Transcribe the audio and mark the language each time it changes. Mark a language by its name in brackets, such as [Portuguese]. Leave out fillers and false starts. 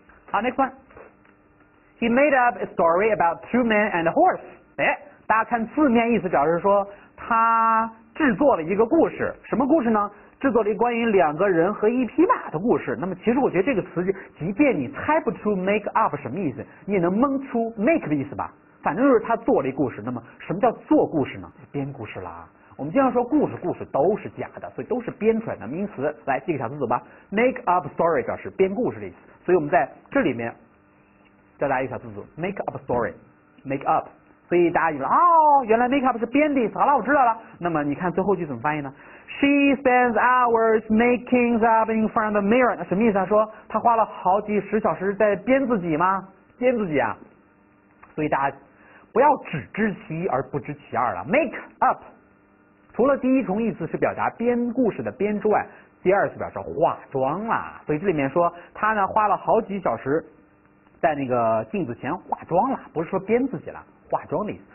[Chinese] 好， [English] next one，He made up a story about two men and a horse。 [Chinese] 哎，大家看字面意思表示说他制作了一个故事，什么故事呢？制作了一关于两个人和一匹马的故事。那么其实我觉得这个词，即便你猜不出 make up 什么意思，你也能蒙出 make 的意思吧。反正就是他做了一故事。那么什么叫做故事呢？编故事啦。我们经常说故事都是假的，所以都是编出来的名词。来记个小词组吧， make up story 表示编故事的意思。所以我们在这里面教大家一个小词组， make up story， make up。所以大家以为哦，原来 make up 是编的意思。好了，我知道了。那么你看最后句怎么翻译呢？ [English] She spends hours making up in front of the mirror。 [Chinese] 什么意思啊？说她花了好几十小时在编自己吗？编自己啊。所以大家不要只知其一而不知其二了。 make up 除了第一重意思是表达编故事的编之外，第二次表示化妆啦。所以这里面说她呢花了好几小时在那个镜子前化妆了，不是说编自己了，化妆的意思。